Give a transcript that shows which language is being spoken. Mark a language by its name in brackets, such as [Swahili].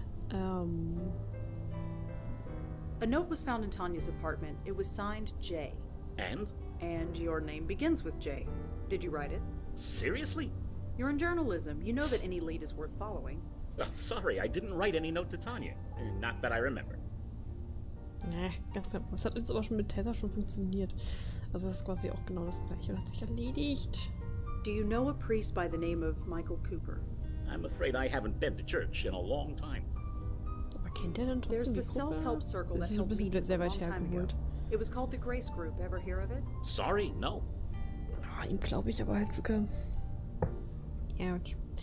[English] A note was found in Tanya's apartment. It was signed J. And? And your name begins with J. Did you write it? Seriously? You're in journalism. You know that any lead is worth following. Sorry, I didn't write any note to Tanya. Not that I remember. [German] Nee, ganz genau. Das hat jetzt aber schon mit Tessa schon funktioniert. Also das ist quasi auch genau das gleiche und hat sich erledigt. [English] Do you know a priest by the name of Michael Cooper? I'm afraid I haven't been to church in a long time. [German] Aber kennt ihr denn trotzdem die Gruppe? Das ist ein bisschen sehr weit hergeholt. [English] It was called the Grace Group. Ever hear of it? Sorry, no. [German] Ah, ihm glaube ich aber halt sogar. Ouch.